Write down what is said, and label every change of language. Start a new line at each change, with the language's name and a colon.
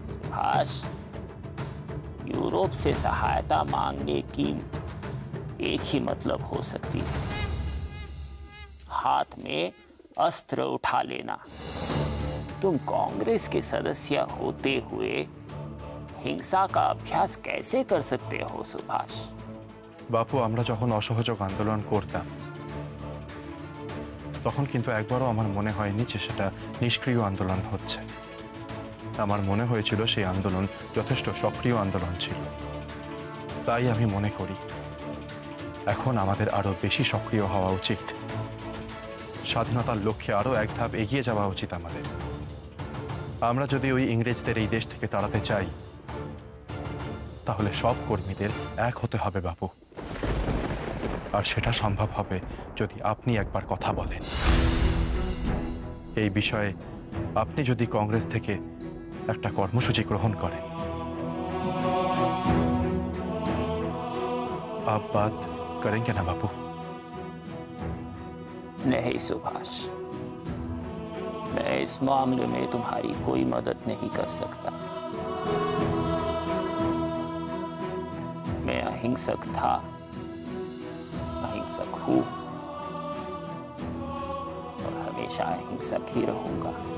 Hindi: हाश, Europe से सहायता मांगने की एक ही मतलब हो सकती है, हाथ में अस्त्र उठा लेना। तुम कांग्रेस के सदस्य होते हुए हिंसा का अभ्यास कैसे कर सकते हो सुभाष?
Bangla: বাপু, আমরা যখন অসহযোগ আন্দোলন করতাম তখন কিন্তু একবারও আমার মনে হয়নি যে সেটা নিষ্ক্রিয় আন্দোলন হচ্ছে। আমার মনে হয়েছিল সেই আন্দোলন যথেষ্ট সক্রিয় আন্দোলন ছিল। তাই আমি মনে করি এখন আমাদের আরো বেশি সক্রিয় হওয়া উচিত। স্বাধীনতার লক্ষ্যে আরো এক ধাপ এগিয়ে যাওয়া উচিত আমাদের। আমরা যদি ওই ইংরেজদের এই দেশ থেকে তাড়াতে চাই, তাহলে সব কর্মীদের এক হতে হবে বাপু। আর সেটা সম্ভব হবে যদি আপনি একবার কথা বলেন এই বিষয়ে। আপনি যদি কংগ্রেস থেকে একটা কর্মসূচি গ্রহণ করেন, আপ বাত করেন না বাপু?
Hindi: नहीं सुभाष, मैं इस मामले में तुम्हारी कोई मदद नहीं कर सकता। मैं अहिंसक था, अहिंसक हूं और हमेशा अहिंसक ही रहूंगा।